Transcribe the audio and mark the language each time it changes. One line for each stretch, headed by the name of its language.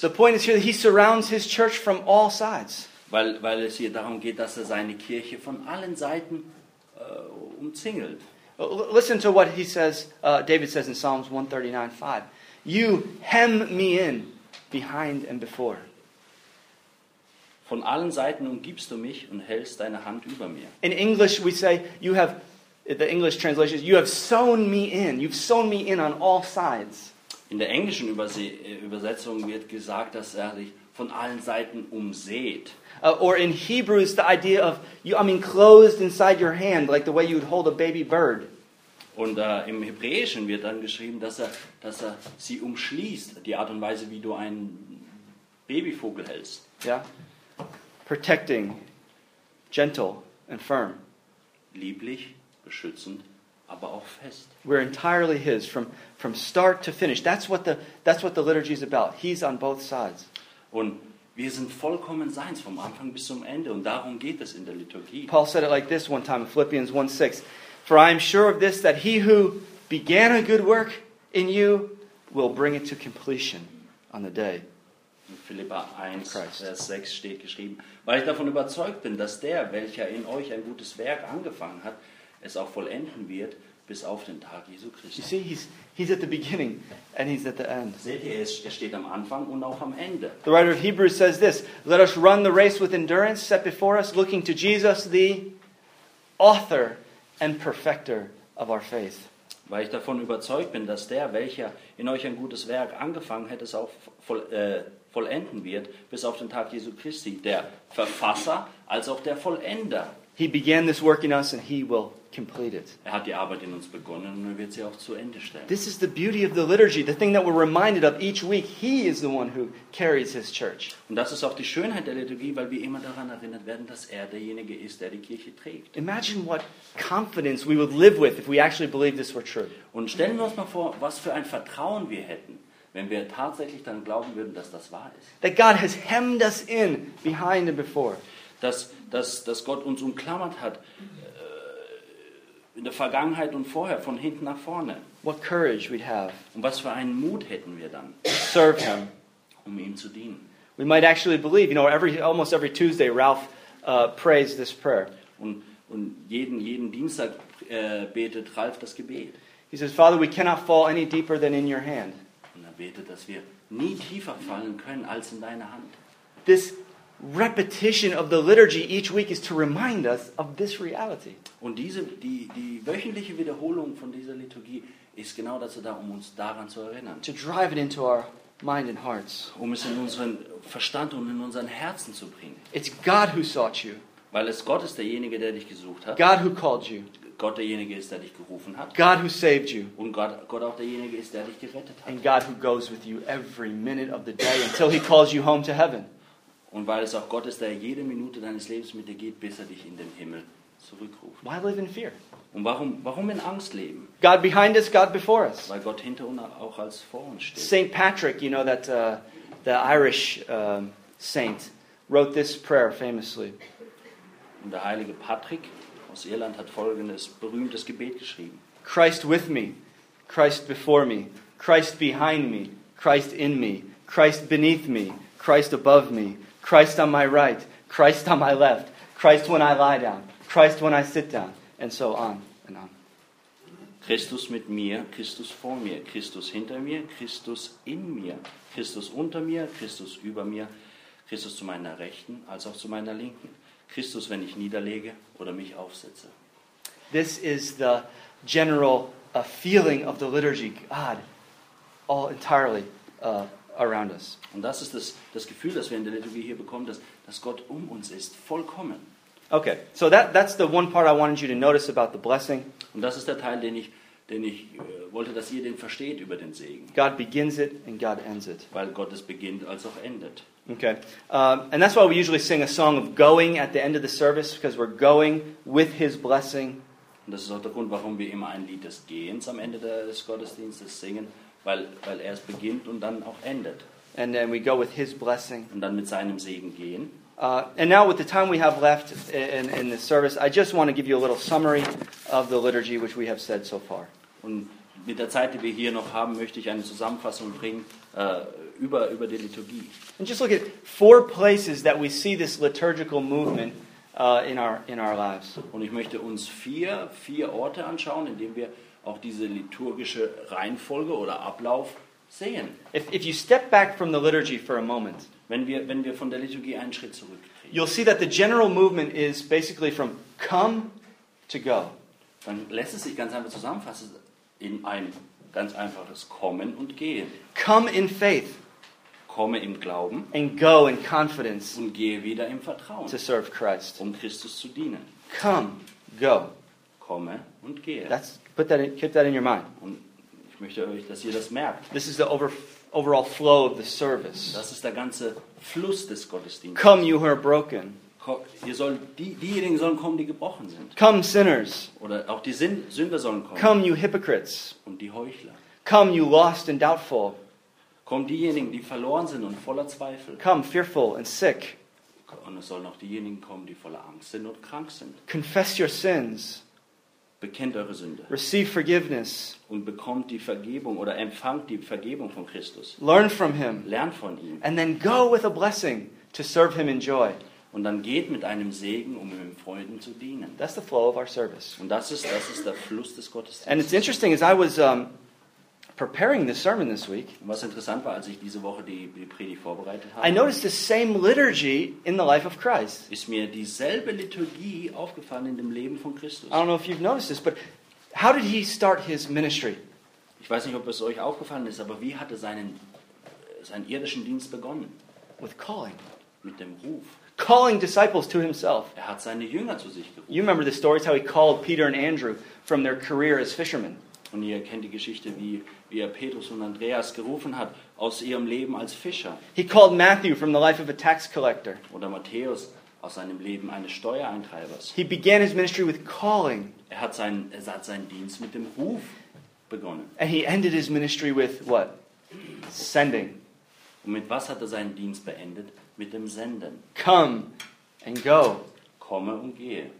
English: The point is here that he surrounds his church from all sides.
German: Weil es hier darum geht, dass er seine Kirche von allen Seiten umzingelt.
English: Listen to what he says, David says in Psalms 139:5. You hem me in behind and before.
German: Von allen Seiten umgibst du mich und hältst deine Hand über mir.
English: In English we say, the English translation is, you have sewn me in. You've sewn me in on all sides.
German: In der englischen Übersetzung wird gesagt, dass er sich von allen Seiten umsät.
English: Or in Hebrews, the idea of I'm enclosed inside your hand, like the way you'd hold a baby bird.
German: Und im Hebräischen wird dann geschrieben, dass er sie umschließt, die Art und Weise, wie du einen Babyvogel hältst.
English: Yeah. Protecting, gentle and firm.
German: Lieblich, beschützend, aber auch fest.
English: We're entirely His from start to finish. That's what the liturgy is about. He's on both sides.
German: Und wir sind vollkommen seins, vom Anfang bis zum Ende. Und darum geht es in der Liturgie.
English: Paul said it like this one time in Philippians 1:6. For I am sure of this, that he who began a good work in you will bring it to completion on the day.
German: In Philippa 1, Vers 6 steht geschrieben, weil ich davon überzeugt bin, dass der, welcher in euch ein gutes Werk angefangen hat, es auch vollenden wird, bis auf den Tag Jesu Christi.
English: You see, he's at the beginning and he's at the end.
German: Seht ihr, er steht am Anfang und auch am Ende.
English: The writer of Hebrews says this, let us run the race with endurance set before us, looking to Jesus, the author and perfecter of our faith.
German: Weil ich davon überzeugt bin, dass der, welcher in euch ein gutes Werk angefangen hat, es auch vollenden wird, bis auf den Tag Jesu Christi, der Verfasser als auch der Vollender.
English: He began this work in us and he will complete it.
German: Er hat die Arbeit in uns begonnen und er wird sie auch zu Ende stellen.
English: This is the beauty of the liturgy, the thing that we're reminded of each week. He is the one who carries his church.
German: Und das ist auch die Schönheit der Liturgie, weil wir immer daran erinnert werden, dass er derjenige ist, der die Kirche trägt.
English: Imagine what confidence we would live with if we actually believed this were true.
German: Und stellen wir uns mal vor, was für ein Vertrauen wir hätten, wenn wir tatsächlich dann glauben würden, dass das wahr ist.
English: That God has hemmed us in behind and before.
German: Dass Gott uns umklammert hat in der Vergangenheit und vorher, von hinten nach vorne.
English: What courage we'd have.
German: Und was für einen Mut hätten wir dann?
English: Serve him.
German: Um ihm zu dienen.
English: We might actually believe, you know, almost every Tuesday Ralph prays this prayer.
German: Und jeden Dienstag betet Ralph das Gebet.
English: He says, Father, we cannot fall any deeper than in your hand.
German: Betet, dass wir nie tiefer fallen können als in deine Hand.
English: This repetition of the liturgy each week is to remind us of this reality.
German: Und die wöchentliche Wiederholung von dieser Liturgie ist genau dazu da, um uns daran zu erinnern.
English: To drive it into our mind and hearts.
German: Um es in unseren Verstand und in unseren Herzen zu bringen.
English: It's God who sought you.
German: Weil es Gott ist, derjenige, der dich gesucht hat.
English: God who called you.
German: Gott derjenige ist, der dich gerufen hat.
English: God who saved you.
German: Und Gott auch derjenige ist, der dich gerettet hat.
English: And God who goes with you every minute of the day until he calls you home to heaven.
German: Und weil es auch Gott ist, der jede Minute deines Lebens mit dir geht, bis er dich in den Himmel zurückruft.
English: Why live in fear?
German: Und warum in Angst leben?
English: God behind us, God before us.
German: Weil Gott hinter uns auch als vor uns steht.
English: Patrick, you know that the Irish saint, wrote this prayer famously.
German: Und der heilige Patrick aus Irland hat folgendes berühmtes Gebet geschrieben.
English: Christ with me, Christ before me, Christ behind me, Christ in me, Christ beneath me, Christ above me, Christ on my right, Christ on my left, Christ when I lie down, Christ when I sit down, and so on and on.
German: Christus mit mir, Christus vor mir, Christus hinter mir, Christus in mir, Christus unter mir, Christus über mir, Christus zu meiner Rechten als auch zu meiner Linken. Christus, wenn ich niederlege oder mich aufsetze.
English: This is the general feeling of the liturgy. God, all entirely around us.
German: Und das ist das Gefühl, das wir in der Liturgie hier bekommen, dass Gott um uns ist, vollkommen.
English: Okay, so that's the one part I wanted you to notice about the blessing.
German: Und das ist der Teil, den ich wollte, dass ihr den versteht über den Segen.
English: God begins it and God ends it.
German: Weil Gott es beginnt als auch endet.
English: Okay, and that's why we usually sing a song of going at the end of the service, because we're going with his blessing.
German: Und das ist auch der Grund, warum wir immer ein Lied des Gehens am Ende des Gottesdienstes singen, weil er es beginnt und dann auch endet.
English: And then we go with his blessing.
German: Und dann mit seinem Segen gehen.
English: And now with the time we have left in the service, I just want to give you a little summary of the liturgy which we have said so far.
German: Und mit der Zeit, die wir hier noch haben, möchte ich eine Zusammenfassung bringen, über die Liturgie.
English: And just look at four places that we see this liturgical movement in our lives.
German: Und ich möchte uns vier Orte anschauen, in denen wir auch diese liturgische Reihenfolge oder Ablauf sehen.
English: If you step back from the liturgy for a moment,
German: wenn wir von der Liturgie einen Schritt zurücktreten,
English: you'll see that the general movement is basically from come to go.
German: Dann lässt es sich ganz einfach zusammenfassen in ein ganz einfaches Kommen und Gehen.
English: Come in faith.
German: Komme im Glauben.
English: And go in confidence.
German: Und gehe wieder im Vertrauen.
English: To serve Christ.
German: Um Christus zu dienen.
English: Come, go.
German: Komme und gehe.
English: Keep that in your mind.
German: Und ich möchte euch, dass ihr das merkt.
English: This is the overall flow of the service.
German: Das ist der ganze Fluss des Gottesdienstes.
English: Come, you who are broken.
German: Diejenigen sollen kommen, die gebrochen sind.
English: Come, sinners.
German: Oder auch die Sünder sollen kommen.
English: Come, you hypocrites.
German: Und die Heuchler.
English: Come, you lost and doubtful.
German: Komm, diejenigen, die verloren sind und voller Zweifel.
English: Come, fearful and sick.
German: Und es sollen auch diejenigen kommen, die voller Angst sind und krank sind.
English: Confess your sins.
German: Bekennt eure Sünde.
English: Receive forgiveness.
German: Und bekommt die Vergebung oder empfangt die Vergebung von Christus.
English: Learn from him.
German: Lernt von ihm.
English: And then go with a blessing to serve him in joy.
German: Und dann geht mit einem Segen, um ihm in Freuden zu dienen.
English: That's the flow of our service.
German: Und das ist der Fluss des Gottesdienstes.
English: And it's interesting as I was preparing this sermon this week.
German: Was interessant war, als ich diese Woche die Predigt vorbereitet habe.
English: I noticed the same liturgy in the life of Christ.
German: Ist mir dieselbe Liturgie aufgefallen in dem Leben von Christus.
English: I don't know if you've noticed this, but how did he start his ministry?
German: Ich weiß nicht, ob es euch aufgefallen ist, aber wie hat er seinen irdischen Dienst begonnen?
English: With calling.
German: Mit dem Ruf.
English: Calling disciples to himself.
German: Er hat seine Jünger zu sich gerufen.
English: You remember the stories how he called Peter and Andrew from their career as fishermen.
German: Und ihr kennt die Geschichte, wie er Petrus und Andreas gerufen hat aus ihrem Leben als Fischer.
English: He called Matthew from the life of a tax collector.
German: Oder Matthäus aus seinem Leben eines Steuereintreibers.
English: He began his ministry with calling.
German: Er hat seinen Dienst mit dem Ruf begonnen.
English: And he ended his ministry with what? Sending.
German: Und mit was hat er seinen Dienst beendet? Mit dem Senden.
English: Come and go.
German: Komme und gehe.